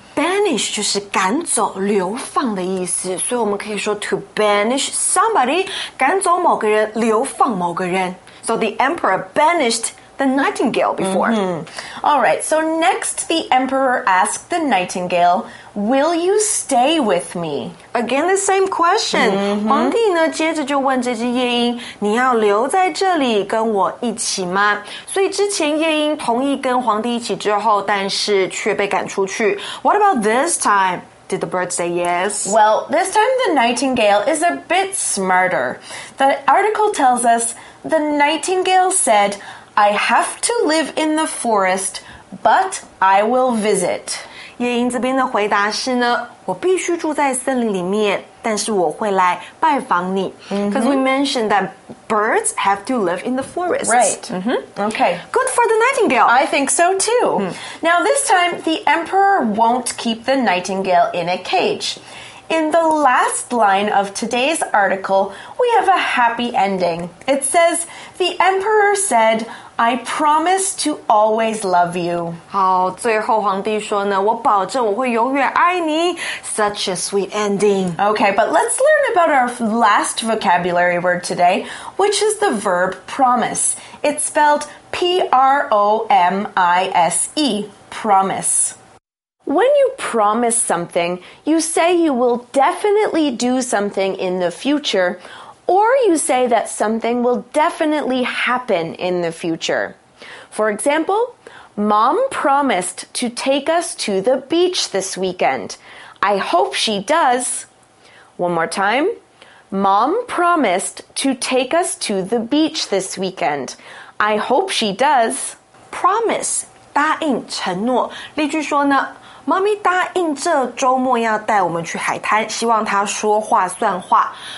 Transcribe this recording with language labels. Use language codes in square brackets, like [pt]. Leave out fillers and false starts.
[zh] banish 就是赶走流放的意思，所以我们可以说 to banish somebody 赶走某个人流放某个人。 [en] So the emperor banished the nightingale before、mm-hmm. Alright, so next the emperor asked the nightingale, Will you stay with me? Again the same question、mm-hmm. [zh] 皇帝呢接着就问这只夜莺，你要留在这里跟我一起吗？所以之前夜莺同意跟皇帝一起之后，但是却被赶出去。 [en] What about this time? Did the bird say yes? Well, this time the nightingale is a bit smarter. The article tells us, the nightingale said, I have to live in the forest, but I will visit. [zh] 夜莺这边的回答是呢，我必须住在森林里面，但是我会来拜访你。 [en] Because、mm-hmm. we mentioned that birds have to live in the forest. Right.、Mm-hmm. Okay. Good for the nightingale. I think so too.、Mm. Now this time, the emperor won't keep the nightingale in a cage. In the last line of today's article, we have a happy ending. It says, the emperor said... I promise to always love you. [zh] 好，最后皇帝说呢，我保证我会永远爱你。 [en] Such a sweet ending. Okay, but let's learn about our last vocabulary word today, which is the verb promise. It's spelled P-R-O-M-I-S-E, promise. When you promise something, you say you will definitely do something in the future,Or you say that something will definitely happen in the future. For example, Mom promised to take us to the beach this weekend. I hope she does. One more time. Mom promised to take us to the beach this weekend. I hope she does. [zh] Promise, 答应承诺。例句说呢，妈咪答应这周末要带我们去海滩，希望她说话算话。